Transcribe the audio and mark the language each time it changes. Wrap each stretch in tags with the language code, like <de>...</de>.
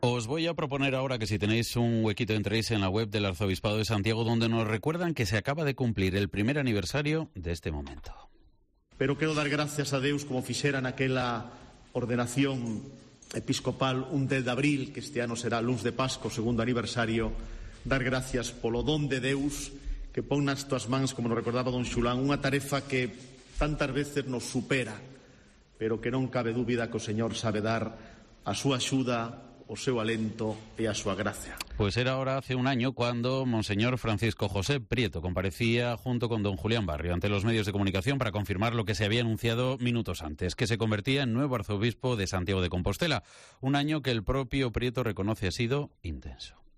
<es>Os voy a proponer ahora que si tenéis un huequito entréis en la web del Arzobispado de Santiago, donde nos recuerdan que se acaba de cumplir el primer aniversario de este momento.</es> <gl>Pero quero dar gracias a Deus como fixera naquela ordenación episcopal un 10 de abril, que este ano será luns de Pasco, segundo aniversario, dar gracias polo don de Deus que pon nas túas mans, como nos recordaba don Xulán, unha tarefa que tantas veces nos supera, pero que non cabe dúbida que o Señor sabe dar a súa axuda, o seu alento e a súa gracia.</gl> <es>Pues era ahora hace un año cuando Monseñor Francisco José Prieto comparecía junto con don Julián Barrio ante los medios de comunicación para confirmar lo que se había anunciado minutos antes, que se convertía en nuevo arzobispo de Santiago de Compostela. Un año que el propio Prieto reconoce ha sido intenso.</es>